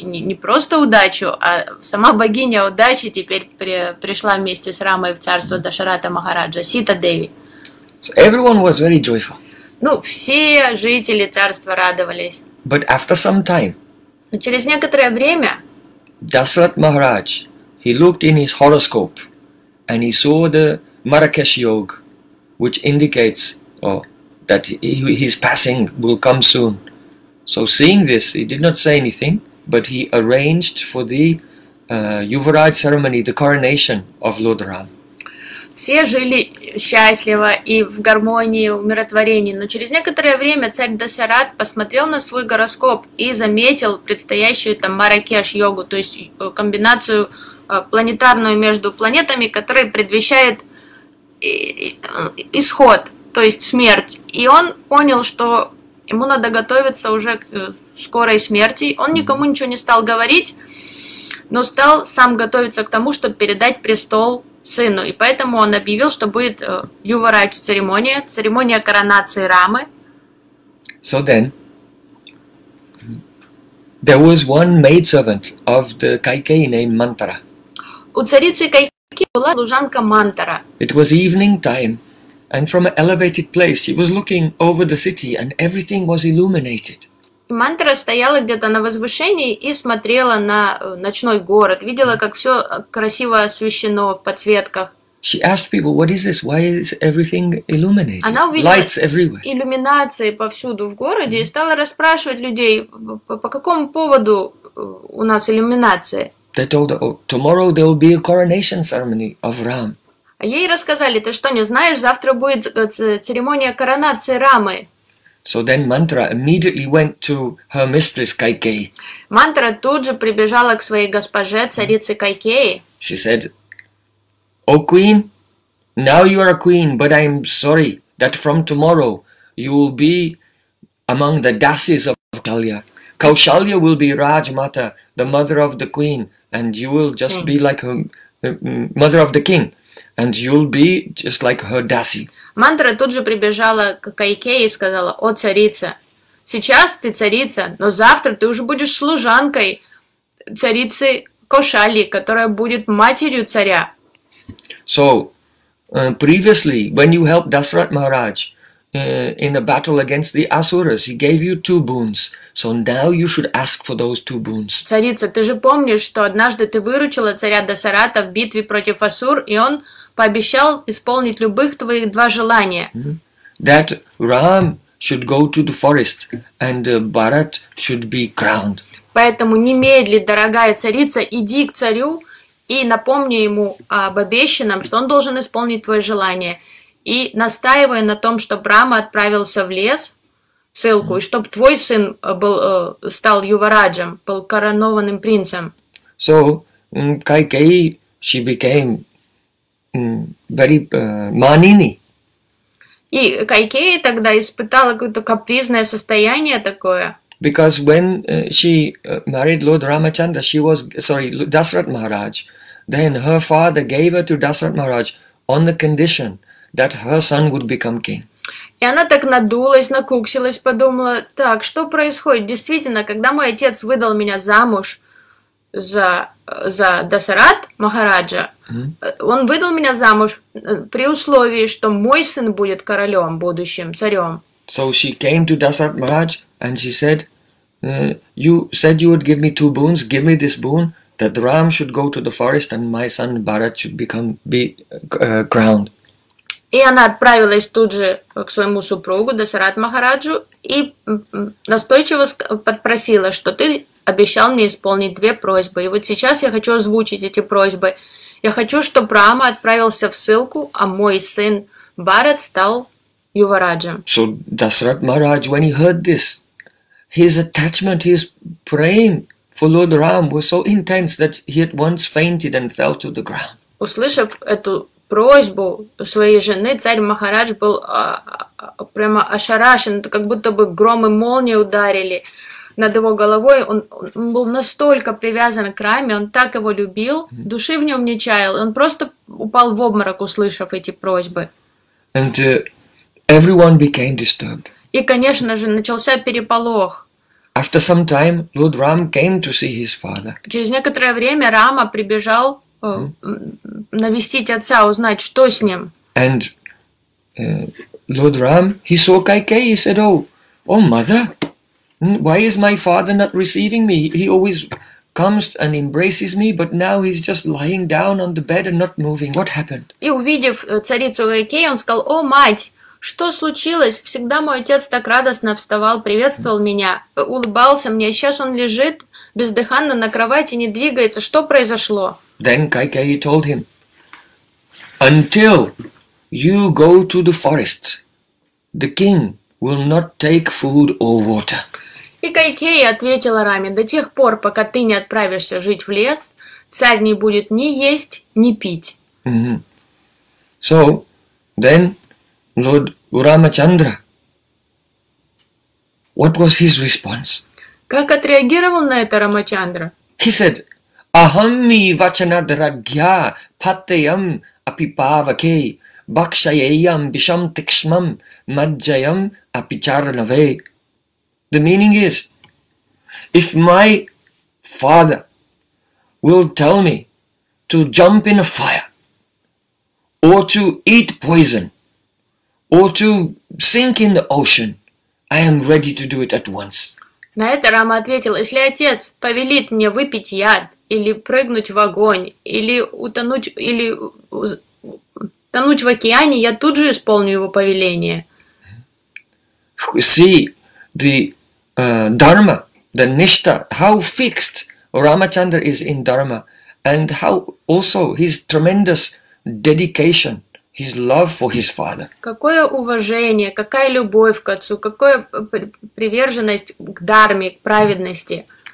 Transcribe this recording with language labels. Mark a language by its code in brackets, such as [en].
[ru] И не просто удачу, а сама богиня удачи теперь пришла вместе с Рамой в царство Дасарата Махараджа, Сита Деви. [en] So everyone was very joyful. [ru] Ну, все жители царства радовались. [en] But after some time, [ru] но через некоторое время [en] Дасарат Махарадж, he looked in his horoscope, and he saw the Marakesh Yoga, which indicates that his passing will come soon. So seeing this, he did not say anything, but he arranged for the Yuvaraj ceremony, the coronation of Lord Ram. [ru] Все жили счастливо и в гармонии, в умиротворении, но через некоторое время царь Дасарат посмотрел на свой гороскоп и заметил предстоящую там Маракеш йогу, то есть комбинацию планетарную между планетами, которая предвещает исход, то есть смерть. И он понял, что ему надо готовиться уже к скорой смерти. Он никому ничего не стал говорить, но стал сам готовиться к тому, чтобы передать престол сыну. И поэтому он объявил, что будет Юварадж церемония, церемония коронации Рамы. [en] So then, there was one maidservant of the Kaikeyi named Mantara. [ru] У царицы Кайкеи была служанка Мантара. [en] It was evening time, and from an elevated place, she was looking over the city, and everything was illuminated. [ru] Мантара стояла где-то на возвышении и смотрела на ночной город, видела, как все красиво освещено в подсветках. [en] She asked people, what is this? Why is everything illuminated? [ru] Она увидела иллюминации повсюду в городе и стала расспрашивать людей, по какому поводу у нас иллюминация. [en] They told her, oh, tomorrow there will be a coronation ceremony of Ram. [ru] А ей рассказали, ты что не знаешь, завтра будет церемония коронации Рамы. [en] So then Mantra immediately went to her mistress Kaikeyi. [ru] Мантра тут же прибежала к своей госпоже, царице Кайкеи. [en] She said, "O queen, now you are a queen, but I'm sorry that from tomorrow you will be among the dasis of Kalya. Kaushalya will be Rajmata, the mother of the queen, and you will just be like her mother of the king." And you'll be just like her dasi. [ru] Мантра тут же прибежала к Кайкеи и сказала, «О, царица, сейчас ты царица, но завтра ты уже будешь служанкой царицы Кошали, которая будет матерью царя». [en] So, previously, when you helped Dasarat Maharaj in a battle against the Asuras, he gave you two boons. So now you should ask for those two boons. [ru] Царица, ты же помнишь, что однажды ты выручила царя Дасарата в битве против Асур, и он пообещал исполнить любых твоих два желания. [en] That Ram should go to the forest and Bharat should be crowned. [ru] Поэтому немедли, дорогая царица, иди к царю и напомню ему об обещанном, что он должен исполнить твое желание, и настаивая на том, чтобы Рама отправился в лес, в ссылку, и чтобы твой сын был, стал Ювараджем, был коронованным принцем. [en] So, Кайкеи, she became very manini. [ru] И Кайкеи тогда испытала какое-то капризное состояние такое. [en] Because when she married Lord Ramachandra, she was, sorry, Dasarath Maharaj, then her father gave her to Dasarath Maharaj on the condition that her son would become king. [ru] И она так надулась, накуксилась, подумала, так, что происходит? Действительно, когда мой отец выдал меня замуж за Дасарат Махараджа, он выдал меня замуж при условии, что мой сын будет королем, будущим царем. [en] So she came to Dasarath Maharaj and she said, you said you would give me two boons, give me this boon, that Ram should go to the forest and my son Bharat should become crowned. [ru] И она отправилась тут же к своему супругу, Дасарат Махараджу, и настойчиво подпросила, что ты обещал мне исполнить две просьбы. И вот сейчас я хочу озвучить эти просьбы. Я хочу, чтобы Рама отправился в ссылку, а мой сын Бхарат стал Ювараджем. [en] So, Dasarat Maharaj, when he heard this, his attachment, his praying for Lord Ram was so intense that he at once fainted and fell to the ground. [ru] Услышав эту просьбу своей жены, царь Махарадж был прямо ошарашен, как будто бы гром и молнии ударили над его головой. Он был настолько привязан к Раме, он так его любил, души в нем не чаял, он просто упал в обморок, услышав эти просьбы. [en] And everyone became disturbed. [ru] И, конечно же, начался переполох. [en] After some time, Lord Ram came to see his father. [ru] Через некоторое время Рама прибежал навестить отца, узнать, что с ним. [en] And Lord Ram, he saw Kaikeyi, he said, oh, mother, why is my father not receiving me? He always comes and embraces me, but now he's just lying down on the bed and not moving. What happened? [ru] И увидев царицу Кайкеи, он сказал, о, мать, что случилось? Всегда мой отец так радостно вставал, приветствовал меня, улыбался мне, сейчас он лежит бездыханно на кровати, не двигается, что произошло? [en] Then Kaikeyi told him, until you go to the forest, the king will not take food or water. [ru] И Кайкеи ответила Раме, до тех пор, пока ты не отправишься жить в лес, царь не будет ни есть, ни пить. Mm-hmm. [en] So, then Lord Ramachandra, what was his response? [ru] Как отреагировал на это Рамачандра? [en] He said, [sa] Ахамми вачана драгья патеям апипавакей бакшаеям бишам тикшмам маджаям апичарнаве. [en] The meaning is, if my father will tell me to jump in a fire or to eat poison or to sink in the ocean, I am ready to do it at once. [ru] На это Рама ответил, если отец повелит мне выпить яд или прыгнуть в огонь, или утонуть, или тонуть в океане, я тут же исполню его повеление. [en] See, the dharma, the nishta, how fixed Ramachandra is in dharma, and how also his tremendous dedication, his love for his father. [ru] Какое уважение, какая любовь к отцу, какая приверженность к дарме, к праведности.